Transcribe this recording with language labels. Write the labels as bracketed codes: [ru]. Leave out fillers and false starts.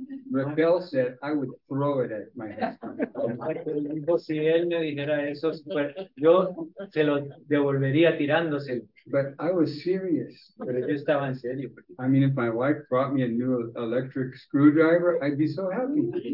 [en] Rebel said I would throw it at my husband. [es] Si él me dijera eso, yo se lo devolvería tirándoselo. [en] But I was serious. [es] Pero yo estaba en serio. [en] I mean, if my wife brought me a new electric screwdriver, I'd be so happy.